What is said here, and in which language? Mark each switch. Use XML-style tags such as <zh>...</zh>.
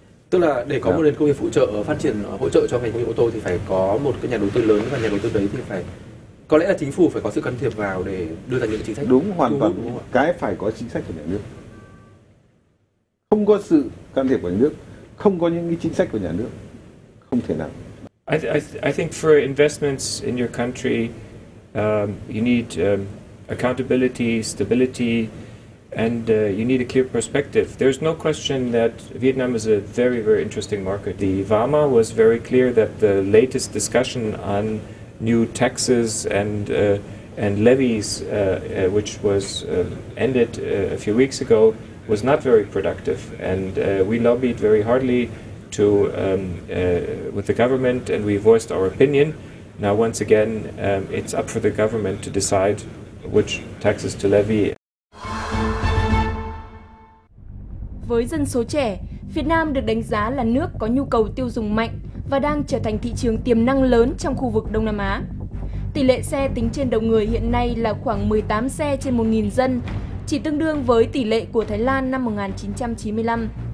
<vi>Tức là để có một nền công nghiệp phụ trợ, phát triển, hỗ trợ cho ngành công nghiệp ô tô thì phải có một cái nhà đầu tư lớn, và nhà đầu tư đấy thì phải, có lẽ là chính phủ phải có sự can thiệp vào để đưa ra những chính sách. Đúng, hoàn toàn. Cái phải có chính sách của nhà nước. Không có sự can thiệp của nhà nước, không có những cái chính sách của nhà nước, không thể nào.</vi> <en>I think for investments in your country, you need accountability, stability, and you need a clear perspective. There's no question that Vietnam is a very, very interesting market. The Vama was very clear that the latest discussion on new taxes and levies, which was ended a few weeks ago, was not very productive. And we lobbied very hardly to with the government, and we voiced our opinion. Now, once again, it's up for the government to decide which taxes to levy.</en> <vi>Với dân số trẻ, Việt Nam được đánh giá là nước có nhu cầu tiêu dùng mạnh và đang trở thành thị trường tiềm năng lớn trong khu vực Đông Nam Á. Tỷ lệ xe tính trên đầu người hiện nay là khoảng 18 xe trên 1.000 dân, chỉ tương đương với tỷ lệ của Thái Lan năm 1995.</vi>